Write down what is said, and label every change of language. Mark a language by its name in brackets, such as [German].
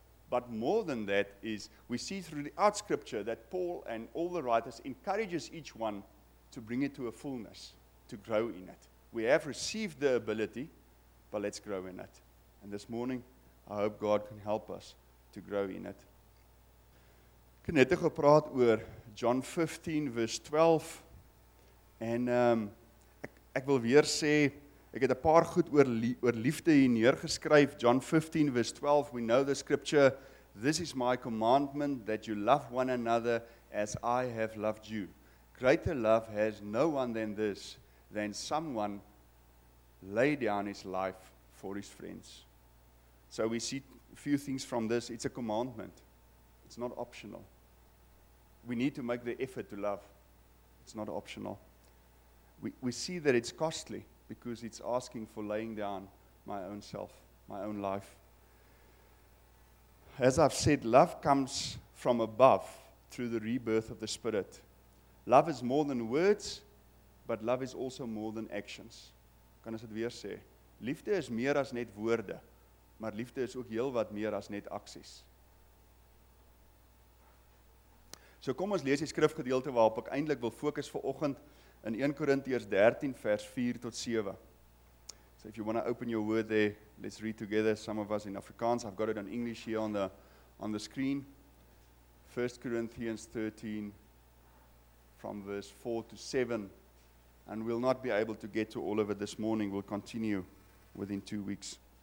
[English] But more than that is, we see throughout Scripture that Paul and all the writers encourages each one to bring it to a fullness, to grow in it. We have received the ability, but let's grow in it. And this morning, I hope God can help us to grow in it. [Afrikaans] Ek het net gepraat oor John 15 vers 12. En ek wil weer sê, ek het 'n paar goed oor liefde hier neergeskryf. [English] John 15 vers 12, we know the scripture, this is my commandment, that you love one another as I have loved you. Greater love has no one than this, than someone lay down his life for his friends. So we see a few things from this. It's a commandment. It's not optional. We need to make the effort to love. It's not optional. We see that it's costly because it's asking for laying down my own self, my own life. As I've said, love comes from above through the rebirth of the Spirit. Love is more than words, but love is also more than actions. [Afrikaans] Kan ons dit weer sê? Liefde is meer as net woorde, maar liefde is ook heel wat meer as net aksies. So kom ons lees die skrifgedeelte waarop ek eintlik wil fokus vir oggend in 1 Korintiërs 13 vers 4 tot 7. [English] So if you want to open your word there, let's read together, some of us in Afrikaans. I've got it in English here on the screen. 1 Corinthians 13 from verse 4 to 7. And we'll not be able to get to all of it this morning. We'll continue within 2 weeks.